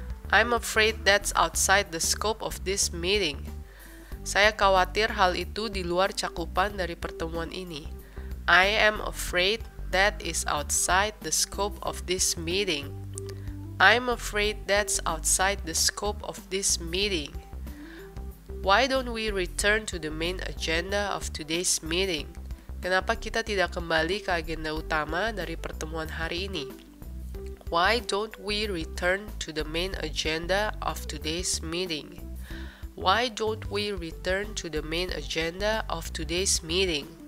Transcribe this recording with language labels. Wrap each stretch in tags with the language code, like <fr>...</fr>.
<en>I'm afraid that's outside the scope of this meeting.</en> <id>Saya khawatir hal itu di luar cakupan dari pertemuan ini.</id> <en>I am afraid that is outside the scope of this meeting. I'm afraid that's outside the scope of this meeting. Why don't we return to the main agenda of today's meeting?</en> <id>Kenapa kita tidak kembali ke agenda utama dari pertemuan hari ini?</id> <en>Why don't we return to the main agenda of today's meeting? Why don't we return to the main agenda of today's meeting?</en>